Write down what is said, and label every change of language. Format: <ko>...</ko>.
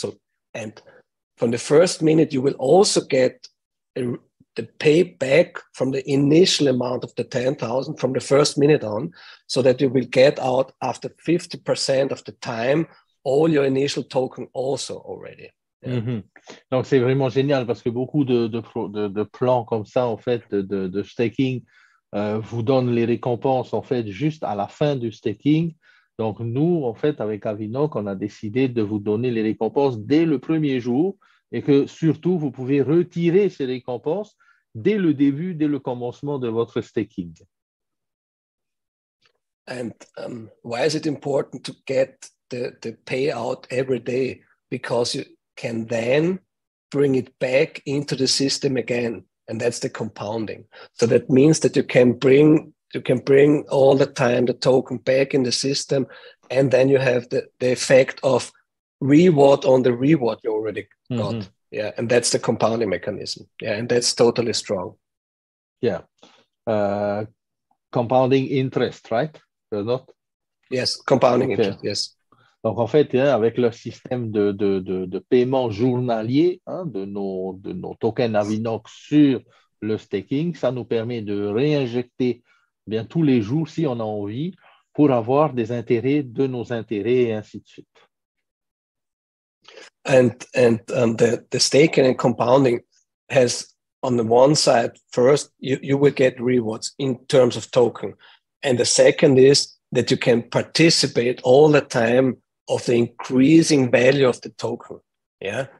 <en>So, and from the first minute, you will also get the payback from the initial amount of the 10,000 from the first minute on, so that you will get out after 50% of the time all your initial token also already.</en> <fr>Donc, c'est vraiment génial parce que beaucoup de plans comme ça, en fait, de staking, vous donnent les récompenses, en fait, juste à la fin du staking. Donc, nous, en fait, avec Avinoc, on a décidé de vous donner les récompenses dès le premier jour et que surtout, vous pouvez retirer ces récompenses dès le début, dès le commencement de votre staking.</fr> <en>And why is it important to get the payout every day? Because you can then bring it back into the system again, and that's the compounding. So that means that you can bring all the time the token back in the system, and then you have the effect of reward on the reward you already got. And that's the compounding mechanism. And that's totally strong. Compounding interest, right? Not? Yes, compounding Okay. interest, yes.</en> <fr>Donc en fait, hein, avec leur système de paiement journalier, hein, de nos tokens Avinoc sur le staking, ça nous permet de réinjecter bien tous les jours si on a envie pour avoir des intérêts de nos intérêts et ainsi de suite.</fr> <en>And the staking and compounding has on the one side, first you will get rewards in terms of token. And the second is that you can participate all the time of the increasing value of the token. Yeah.</en>